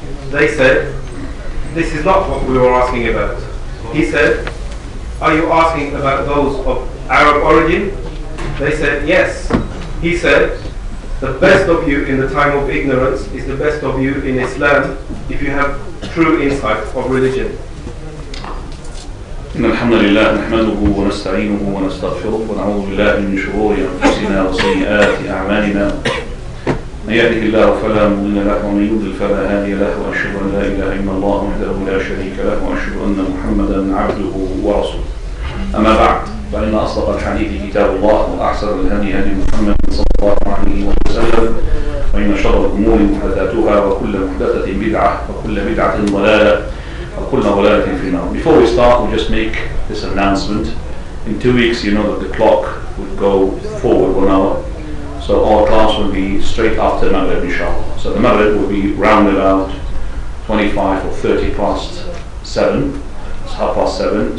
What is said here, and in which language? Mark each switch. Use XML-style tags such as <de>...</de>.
<en>They said, this is not what we were asking about. He said, are you asking about those of Arab origin? They said, yes. He said, the best of you in the time of ignorance is the best of you in Islam if you have true insight of religion.</en> <ar>إن الحمد لله نحمده ونستعينه ونستغفره ونعوذ بالله من شرور أنفسنا وسيئات أعمالنا. من يهده الله فلا مضل له ومن يضلل فلا هادي له واشهد ان لا اله الا الله وحده لا شريك له واشهد ان محمدا عبده ورسوله. اما بعد فان اصدق الحديث كتاب الله واحسن الهدي هدي محمد صلى الله عليه وسلم وان شر الامور محدثاتها وكل محدثه بدعه وكل بدعه ضلاله وكل ضلاله في النار.</ar> <en>Before we start, we'll just make this announcement. In 2 weeks, you know that the clock would go forward 1 hour. So our class will be straight after Maghrib, inshallah. So the Maghrib will be round about 25 or 30 past 7. It's 7:30.</en>